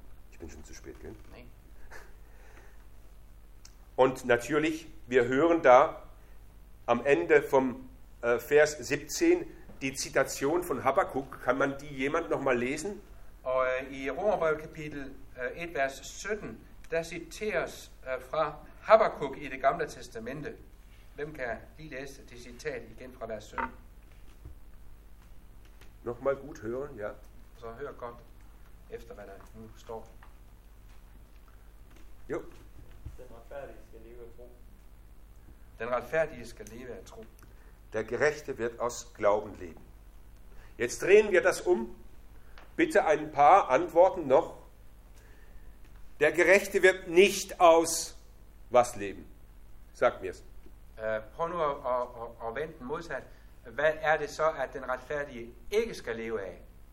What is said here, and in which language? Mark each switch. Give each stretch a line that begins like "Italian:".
German: Ich bin schon zu spät, gell? Nee. Und natürlich, wir hören da am Ende vom Vers 17 die Zitation von Habakkuk. Kann man die jemand noch mal lesen?
Danish: Og i Romerbrev kapitel 1, vers 17, der citeres fra Habakkuk i det gamle testamente. Hvem kan lige læse det citat igen fra vers 17?
German: Nochmal gut hören, ja.
Danish: Så hør godt efter, hvad der nu står. Jo. Den retfærdige skal leve af tro.
German: Der gerechte wird aus Glauben leben. Jetzt drehen wir das um. Bitte ein paar Antworten noch. Der Gerechte wird nicht aus was leben? Sag mir's.
Danish: Prøv nu at vende den modsat. Hvad er det så, at den retfærdige ikke skal leve af?